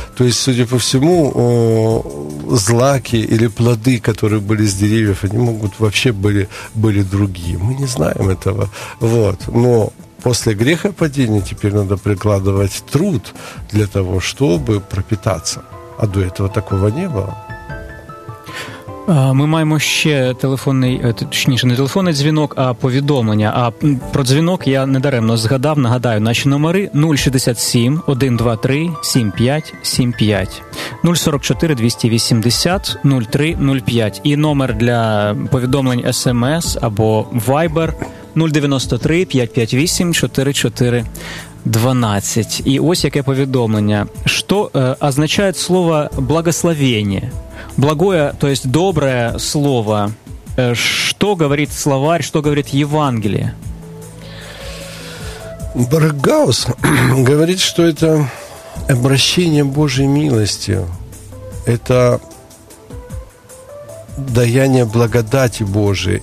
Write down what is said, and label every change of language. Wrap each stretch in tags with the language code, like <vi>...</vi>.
<ru>То есть, судя по всему, злаки или плоды, которые были с деревьев, они могут вообще были другие. Мы не знаем этого. Вот. Но после греха падения теперь надо прикладывать труд для того, чтобы пропитаться. А до этого такого не было.</ru> <uk>Ми маємо ще телефонний, точніше, не телефонний дзвінок, а повідомлення. А про дзвінок я недаремно згадав, нагадаю, наші номери 067-123-75-75, 044-280-0305. І номер для повідомлень СМС або Viber 093-558-4412. І ось яке повідомлення. Що означає слово «благословення»?</uk> <ru>Благое, то есть доброе слово. Что говорит словарь, что говорит Евангелие? Баргаус говорит, что это обращение Божьей милости. Это даяние благодати Божией.</ru>